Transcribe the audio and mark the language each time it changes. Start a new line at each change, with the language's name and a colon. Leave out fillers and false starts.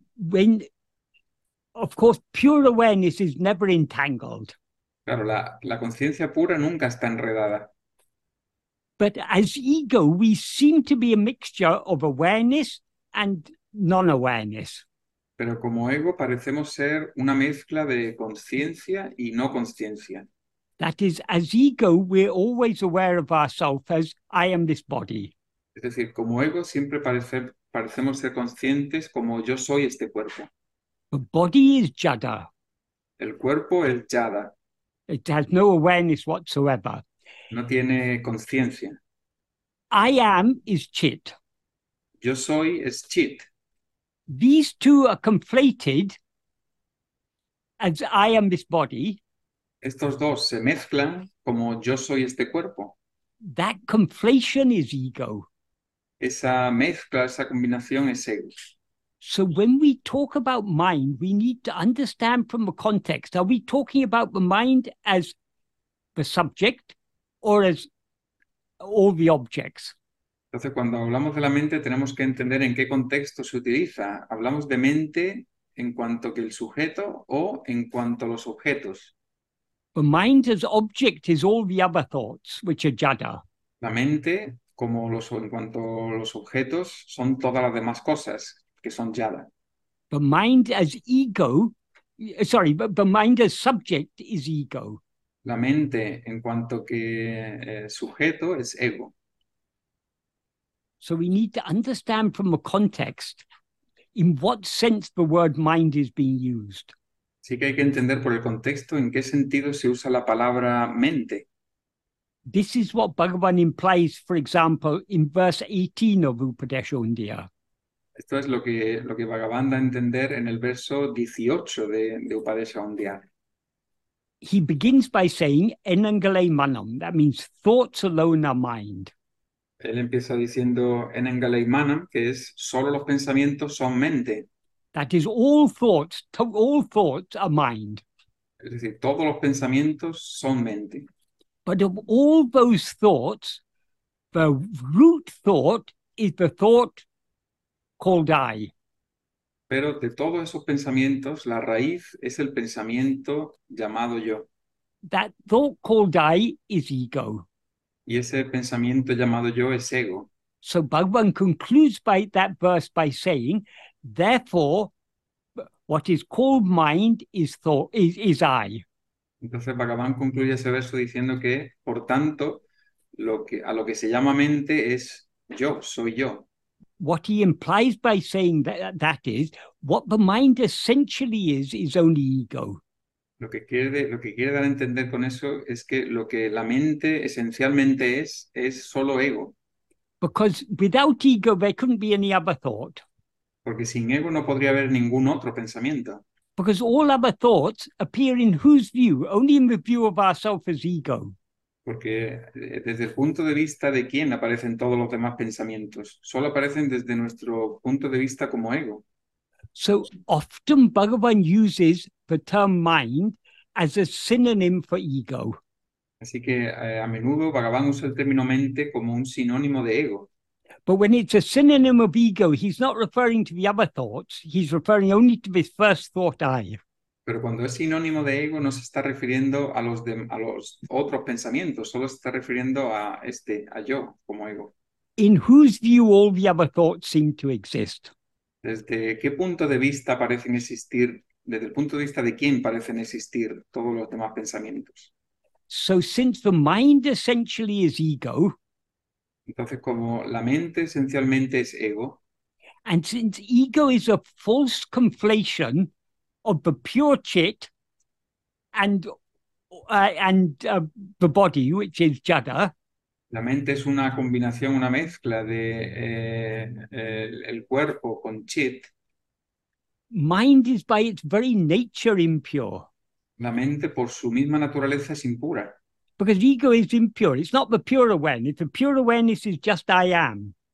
English: when, of course, pure awareness is never entangled.
Spanish: Claro, la conciencia pura nunca está enredada.
English: But as ego, we seem to be a mixture of awareness and non-awareness.
Spanish: Pero como ego parecemos ser una mezcla de conciencia y no conciencia.
English: That is, as ego, we're always aware of ourselves as I am this body.
Spanish: Es decir, como ego siempre parecemos ser conscientes como yo soy este cuerpo.
English: The body is jada.
Spanish: El cuerpo es jada.
English: It has no awareness whatsoever.
Spanish: No tiene conciencia.
English: I am is chit.
Spanish: Yo soy es chit.
English: These two are conflated as I am this body.
Spanish: Estos dos se mezclan como yo soy este cuerpo.
English: That conflation is ego.
Spanish: Esa mezcla, esa combinación es ego.
English: So when we talk about mind, we need to understand from the context. Are we talking about the mind as the subject or as all the objects?
Spanish: Entonces, cuando hablamos de la mente, tenemos que entender en qué contexto se utiliza. ¿Hablamos de mente en cuanto que el sujeto o en cuanto a los objetos?
English: The mind as object is all the other thoughts, which are jada.
Spanish: La mente, como los, en cuanto a los objetos, son todas las demás cosas, que son jada.
English: The mind as ego, sorry, but the mind as subject is ego.
Spanish: La mente, en cuanto que sujeto, es ego.
English: So we need to understand from the context in what sense the word mind is being used.
Spanish: Sí que hay que entender por el contexto en qué sentido se usa la palabra mente.
English: This is what Bhagavan implies, for example, in verse 18 of Upadeshundia.
Spanish: Esto es lo que Bhagavan da a entender en el verso 18 de Upadeshundia.
English: He begins by saying,
Tamil: enangale manam,
English: that means thoughts alone are mind.
Spanish: Él empieza diciendo en
Tamil: engalei manam,
Spanish: que es solo los pensamientos son mente.
English: That is all thoughts are mind.
Spanish: Es decir, todos los pensamientos son mente.
English: But of all those thoughts, the root thought is the thought called I.
Spanish: Pero de todos esos pensamientos, la raíz es el pensamiento llamado yo.
English: That thought called I is ego.
Spanish: Y ese pensamiento llamado yo es ego.
English: So Bhagavan concludes by that verse by saying, therefore, what is called mind is thought is I.
Spanish: Entonces Bhagavan concluye ese verso diciendo que, por tanto, a lo que se llama mente es yo, soy yo.
English: What he implies by saying that is, what the mind essentially is only ego.
Spanish: Lo que quiere dar a entender con eso es que lo que la mente esencialmente es solo ego.
English: Because without ego there couldn't be any other thought.
Spanish: Porque sin ego no podría haber ningún otro pensamiento.
English: Because all other thoughts appear in whose view? Only in the view of ourselves as ego.
Spanish: Porque desde el punto de vista de quién aparecen todos los demás pensamientos. Solo aparecen desde nuestro punto de vista como ego.
English: So often Bhagavan uses the term mind as a synonym for ego.
Spanish: Así que a menudo Bhagavan usa el término mente como un sinónimo de ego.
English: But when it's a synonym of ego, he's not referring to the other thoughts, he's referring only to this first thought I.
Spanish: Pero cuando es sinónimo de ego no se está refiriendo a los otros pensamientos, solo se está refiriendo a yo como ego.
English: In whose view all the other thoughts seem to exist?
Spanish: ¿Desde qué punto de vista parecen existir? ¿Desde el punto de vista de quién parecen existir todos los demás pensamientos?
English: So since the mind essentially is ego,
Spanish: entonces como la mente esencialmente es ego,
English: and since ego is a false conflation of the pure chit and the body, which is jada.
Spanish: La mente es una combinación, una mezcla de el cuerpo con chit.
English: Mind is by its very nature impure.
Spanish: La mente por su misma naturaleza es impura.
English: Because ego is impure. It's not the pure awareness. The pure awareness is just I am.